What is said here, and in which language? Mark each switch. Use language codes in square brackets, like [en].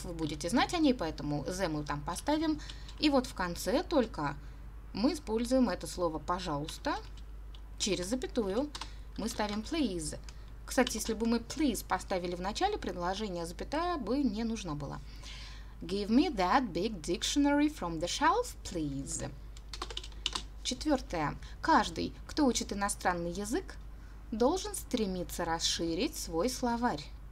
[ru] Вы будете знать о ней, поэтому the мы там поставим. И вот в конце только мы используем это слово «пожалуйста». Через запятую мы ставим «please». Кстати, если бы мы please поставили в начале предложения, запятая бы не нужна была. [en] Give me that big dictionary from the shelf, please. [ru] Четвертое. Каждый, кто учит иностранный язык, должен стремиться расширить свой словарь.